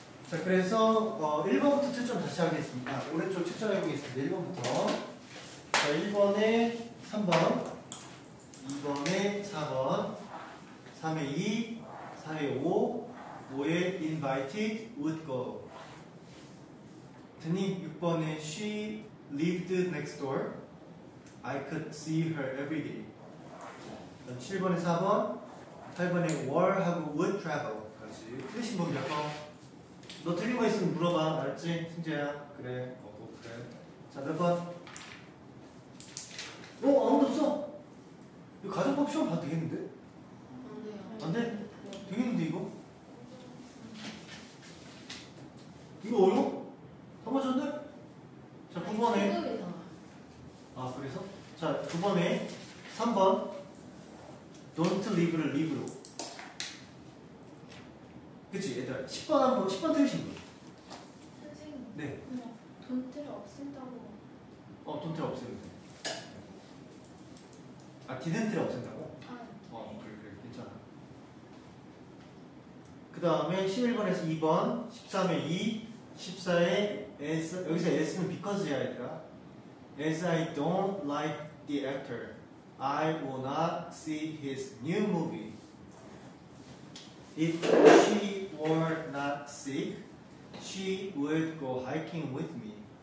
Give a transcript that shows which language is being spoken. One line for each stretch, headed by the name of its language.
Korean: 자, 그래서 1번부터 채점 다시 하겠습니다. 오른쪽 채점해 보겠습니다. 1번부터. 자, 1번에 3번, 2번에 4번, 3에 2, 4에 5, 5에 invited would go. 드니 6번에
English: she lived next door. I could see her every day.
Korean: 7번에 4번, 8번에 were 하고 would travel 같이 틀리신 법 몇 번? 너 틀린 거 있으면 물어봐. 알았지? 승재야. 그래. 그래. 자, 몇 번? 아무도 없어. 이거 가정법 시험 봐도 되겠는데? 안 돼요. 안 돼? 되겠는데 이거? 이거 어려워? 다 맞췄는데? 자, 9번에. 아, 그래서? 자, 9번에 3번.
English: Don't leave를
Korean: leave로. 그치, 얘들아. 10번 한 번, 10번 틀리신 분. 선생님. 네. 돈트를 없앤다고. 돈트를 없앤다. 디덴트를 없앤다고? 아, 그래, 괜찮아. 그 다음에 11번에서 2번, 13에 2, 14에 as, 여기서 as는 because야, 얘들아.
English: As I don't like the actor. I will not see his new movie. If she were not sick, she would go hiking with me.